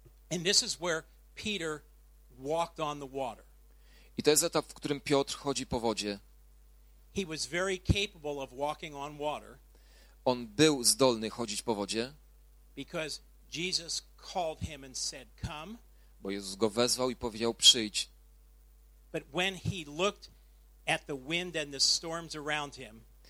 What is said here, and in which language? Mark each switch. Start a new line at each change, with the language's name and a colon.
English: And this is where Peter walked on the water.
Polish: I to jest etap, w którym Piotr chodzi po wodzie.
English: He was very capable of walking on water.
Polish: On był zdolny chodzić po wodzie.
English: Because Jesus called him and said, "Come."
Polish: Bo Jezus go wezwał i powiedział: "Przyjdź."
English: But when he looked at the wind and the storms around him,